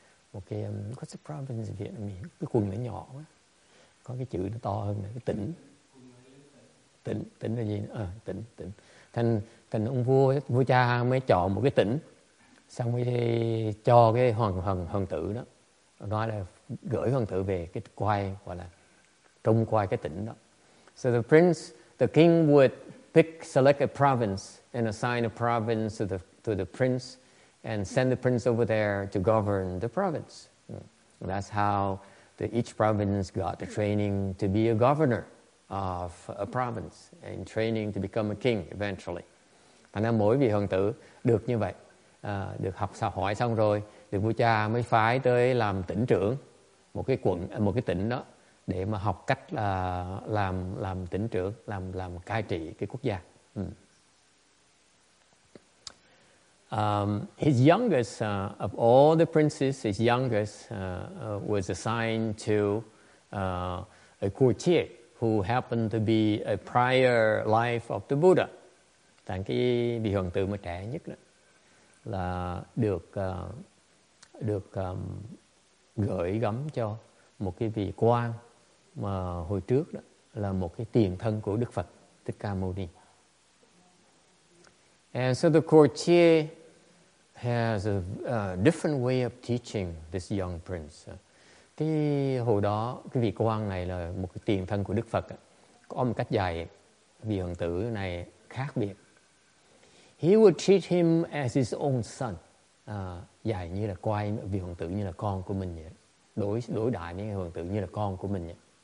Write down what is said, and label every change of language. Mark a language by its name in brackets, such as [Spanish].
[English] What's a province in Vietnamese? [Vietnamese] Cái quận nó nhỏ quá. Có cái chữ nó to hơn này, cái tỉnh là gì? Tỉnh. Thành ông vua cha mới chọn một cái tỉnh, xong mới cho cái hoàng tử đó, nói là gửi hoàng tử về cái quay, gọi là trông quay cái tỉnh đó. [English] So the king would select a province and assign a province to the prince and send the prince over there to govern the province. That's how each province got the training to be a governor of a province and training to become a king eventually. [Vietnamese] Thành ra mỗi vị hoàng tử được như vậy, được học sao hỏi xong rồi, được vua cha mới phái tới làm tỉnh trưởng một cái quận, một cái tỉnh đó để mà học cách là làm tỉnh trưởng, làm cai trị cái quốc gia. [English] His youngest of all the princes, his youngest was assigned to a courtier who happened to be a prior life of the Buddha. [Vietnamese] Thành cái vị hoàng tử mà trẻ nhất đó là được gửi gắm cho một cái vị quan mà hồi trước đó là một cái tiền thân của Đức Phật Thích Ca Mâu Ni. [English] And so the courtier has a different way of teaching this young prince. [Vietnamese] Cái hồi đó, cái vị quan này là một cái tiền thân của Đức Phật. Có một cách dạy vị hoàng tử này khác biệt. [English] He would treat him as his own son. [Vietnamese] Dạy như là coi vị hoàng tử như là con của mình vậy. Đối đại với hoàng tử như là con của mình vậy.